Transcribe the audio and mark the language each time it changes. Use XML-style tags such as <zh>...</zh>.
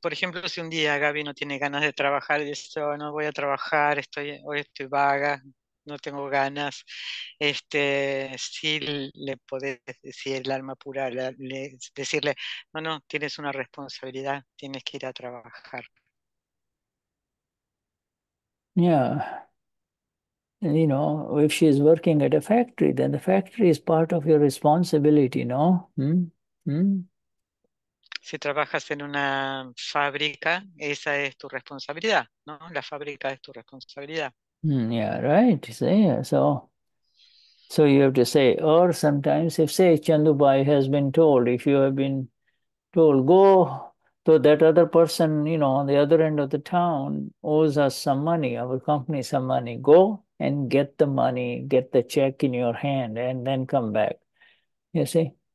<es>Por ejemplo, si un día Gabi no tiene ganas de trabajar, dice, oh, no voy a trabajar, hoy estoy vaga. No tengo ganas. Sí le podés decir el alma pura, decirle, no, tienes una responsabilidad, tienes que ir a trabajar.</es> <en>Yeah. You know, if she is working at a factory, then the factory is part of your responsibility, no?</en> <es>Si trabajas en una fábrica, esa es tu responsabilidad, ¿no? La fábrica es tu responsabilidad.</es> <en>Yeah, right. See, so you have to say, or sometimes if say Chandu Bhai has been told, if you have been told, go to that other person, you know, on the other end of the town, owes us some money, our company some money, go and get the money, get the check in your hand, and then come back. You see?</en>